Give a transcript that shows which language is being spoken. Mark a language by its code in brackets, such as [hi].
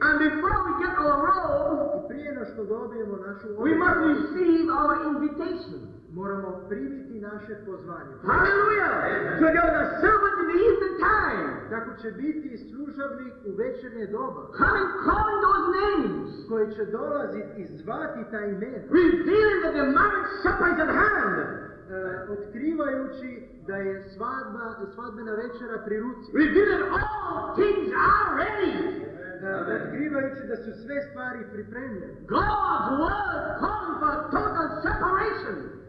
[en] And before we get our robe, [hr] prije no što dobijemo našu obuću, [en] we must receive our invitation. [hr] Moramo primiti naše pozvanje. [en] Hallelujah! So there was a servant in the evening time. [hr] Tako će biti služavnik u večernje doba. [en] Coming, calling those names. [hr] Koji će dolaziti i zvati ta imena. [en] Revealing that the marriage supper is at hand. [hr] Otkrivajući da je svadbena večera pri ruci. [en] Revealing that all things are ready. [hr] Otkrivajući da su sve stvari pripremljene. [en] God's word come for total separation.